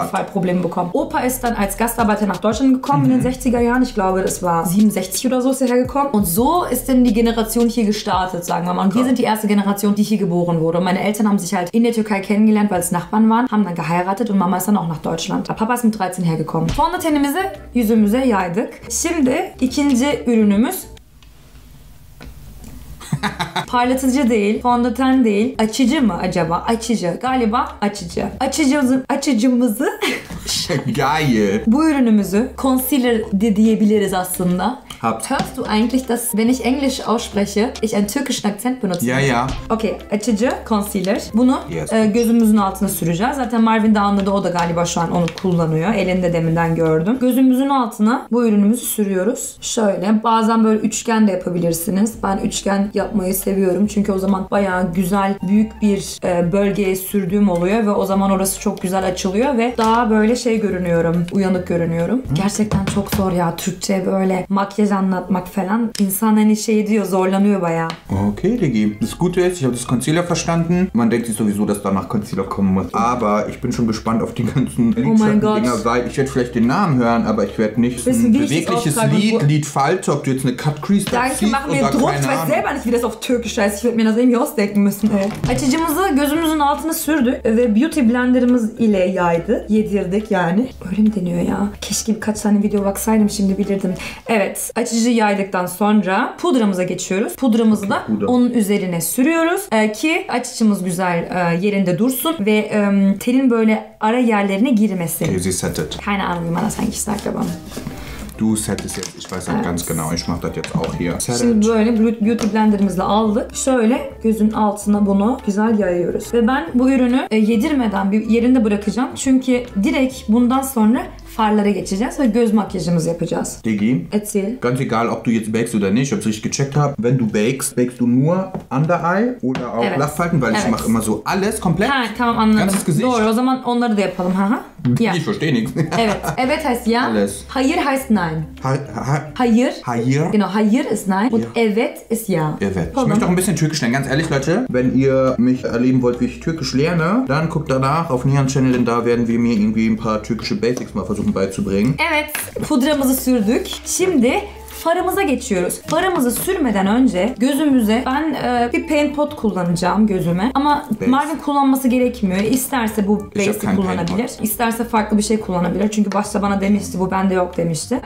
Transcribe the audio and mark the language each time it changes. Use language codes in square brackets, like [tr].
[de] Auf jeden Fall Probleme bekommen. Opa ist dann als Gastarbeiter nach Deutschland gekommen in den 60er Jahren. Ich glaube, das war 67 oder so ist er hergekommen. Und so ist denn die Generation hier gestartet, sagen wir mal. Und wir sind die erste Generation, die hier geboren wurde. Und meine Eltern haben sich halt in der Türkei kennengelernt, weil es Nachbarn waren, haben dann geheiratet und Mama ist dann auch nach Deutschland. Der Papa ist mit 13 hergekommen. [tr] Sonra tenimizi yüzümüze yaydık. Şimdi ikinci ürünümüz paylaşıcı değil, fondöten değil. Açıcı mı acaba? Açıcı. Galiba açıcı. Açıcımızı... [de] Geil. [tr] Bu ürünümüzü concealer diyebiliriz aslında. [de] Hörst du eigentlich, dass, wenn ich Englisch ausspreche, ich einen türkischen Akzent benutze? Ja, ja. [tr] Okay, açıcı, concealer. Bunu gözümüzün altına süreceğiz. Zaten Marvin de anladı, o da galiba şu an onu kullanıyor. Elinde deminden gördüm. Gözümüzün altına bu ürünümüzü sürüyoruz. Şöyle, bazen böyle üçgen de yapabilirsiniz. Ben üçgen yapmayı seviyorum. Çünkü o zaman bayağı güzel, büyük bir bölgeye sürdüğüm oluyor. Ve o zaman orası çok güzel açılıyor. Ve daha böyle şey görünüyorum, uyanık görünüyorum. Hı? Gerçekten çok zor ya, Türkçe böyle makyaj anlatmak falan. İnsan hani şey diyor, zorlanıyor bayağı. [de] Okay, Digi. Das Gute ist, ich habe das Concealer verstanden. Man denkt sich sowieso, dass danach Concealer kommen muss. Aber ich bin schon gespannt auf die ganzen Lidschatten-Dinger, weil ich werde vielleicht den Namen hören, aber ich werde nicht wissen, ein bewegliches Lied falsch, ob du jetzt eine Cut-Crease da ziehst. Danke, machen wir Druck. Ich weiß selber nicht, wie das auf Türkisch heißt. Ich würde mir das irgendwie ausdenken müssen. [tr] Açıcımızı gözümüzün altına sürdü ve beauty blenderımız ile yaydı. Yedirdik yani. Öyle mi deniyor ya? Keşke birkaç tane video baksaydım şimdi bilirdim. Evet. Açıcı yaydıktan sonra pudramıza geçiyoruz. Pudramızı da onun üzerine sürüyoruz. Ki açıcımız güzel yerinde dursun. Ve telin böyle ara yerlerine girmesin. Kezi setet. [de] Keine Ahnung, wie man das eigentlich sagt, aber... Du setest jetzt. Ich weiß nicht ganz genau. Ich mach das jetzt auch hier. Set Şimdi it. [tr] Böyle beauty blenderimizle aldık. Şöyle gözün altına bunu güzel yayıyoruz. Ve ben bu ürünü yedirmeden bir yerinde bırakacağım. Çünkü direkt bundan sonra... farlara geçeceğiz ve göz makyajımızı yapacağız. [de] Digi. Erzähl. Ganz egal, ob du jetzt bakst oder nicht, ob ich richtig gecheckt habe. Wenn du bakst, bakst du nur [en] under eye [de] oder auch Lachfalten, weil ich mache immer so alles komplett. [tr] Ha, tamam anladım. [de] Ganzes Gesicht. [tr] Doğru, o zaman onları da yapalım. Ha, ha. [de] Ja. Ich verstehe nichts. [tr] Evet. [de] Evet heißt ja. Alles. Hayır heißt nein. [tr] Hayır. [de] Hayır. Genau, hayır ist nein. Und evet ist ja. [tr] Evet. [de] Pardon. Ich möchte auch ein bisschen Türkisch lernen. Ganz ehrlich, Leute, wenn ihr mich erleben wollt, wie ich Türkisch lerne, dann guckt danach auf Nihan Channel, denn da werden wir mir irgendwie ein paar türkische Basics mal versuchen beizubringen. [tr] Evet. Pudramızı sürdük. Şimdi farımıza geçiyoruz. Farımızı sürmeden önce gözümüze ben bir paint pot kullanacağım gözüme. Ama Marvin kullanması gerekmiyor. İsterse bu base'i kullanabilir. İsterse farklı bir şey kullanabilir. Çünkü başta bana demişti bu bende yok demişti.